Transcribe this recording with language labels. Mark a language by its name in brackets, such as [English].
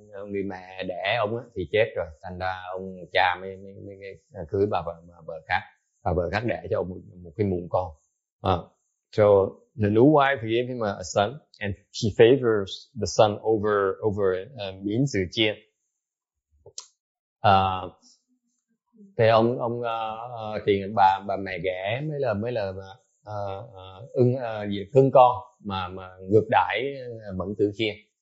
[Vietnamese] Người mẹ đẻ ông ấy, thì chết rồi, thành ra ông cha mới cưới bà vợ khác, bà vợ khác đẻ cho ông một cái mụn con. [English] So the new wife gave him a son, and she favors the son over Min Zhu Jian. [Vietnamese] Thì ông thì bà mẹ ghẻ mới là cưng con mà ngược đãi Mẫn Tử Khiên.